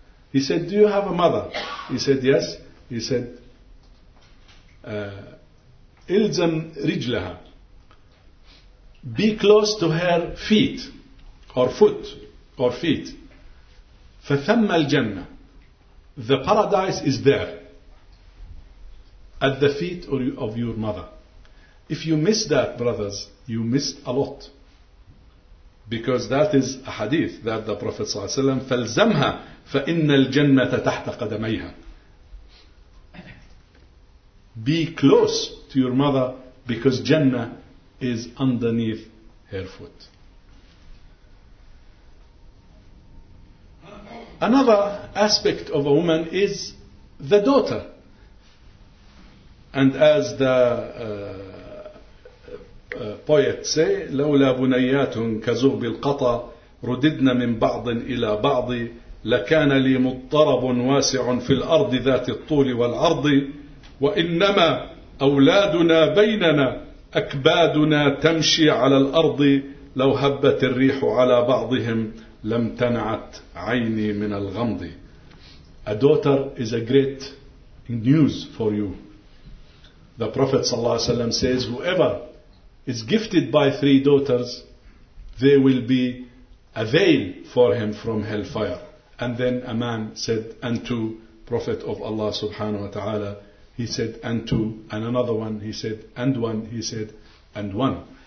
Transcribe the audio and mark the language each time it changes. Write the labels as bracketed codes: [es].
[en] He said, do you have a mother? He said, yes. He said, [ar] إِلْزَمْ رِجْلَهَا, [en] be close to her feet, or foot, or feet. [ar] فَثَمَّ الْجَنَّةِ, [en] the paradise is there, at the feet of your mother. If you miss that, brothers, you missed a lot. Because that is a hadith that the Prophet [ar] صلى الله عليه وسلم, فَالْزَمْهَا فَإِنَّ الْجَنَّةَ تَحْتَ قَدَمَيْهَا. [en] Be close to your mother because Jannah is underneath her foot. Another aspect of a woman is the daughter. And as the poet say, [ar] لَوْلَا بُنَيَّاتٌ كَزُغْبِ الْقَطَى رُدِدْنَ مِنْ بَعْضٍ إِلَى بَعْضٍ لَكَانَ لِي مُضْطَرَبٌ وَاسِعٌ فِي الْأَرْضِ ذَاتِ الطُّولِ وَالْعَرْضِ وَإِنَّمَا أَوْلَادُنَا بَيْنَنَا أكبادنا تمشي على الأرض لو هبت الريح على بعضهم لم تنعت عيني من الغمض. [en] A daughter is a great news for you. The Prophet sallallahu alaihi wasallam says, whoever is gifted by three daughters, they will be a veil for him from hellfire. And then a man said unto Prophet of Allah subhanahu wa ta'ala, he said unto, and another one, he said, and one, he said, and one.